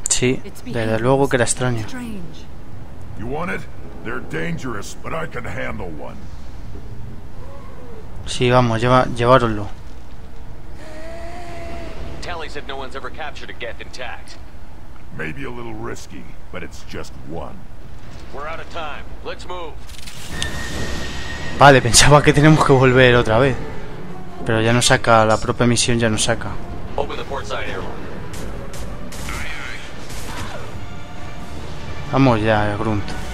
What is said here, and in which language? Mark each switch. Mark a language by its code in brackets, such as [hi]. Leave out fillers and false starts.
[es] Sí, desde luego que era extraño. [en] You want it? They're dangerous, but I can handle one. [es] Sí, vamos, llevárselo. [en] Tally said no one's ever captured a Geth intact. Maybe a little risky, but it's just one. We're out of time. Let's move. [es] Vale, pensaba que tenemos que volver otra vez. Pero ya nos saca, la propia misión ya nos saca. [en] Open the port side airlock. [es] Vamos ya, Grunt.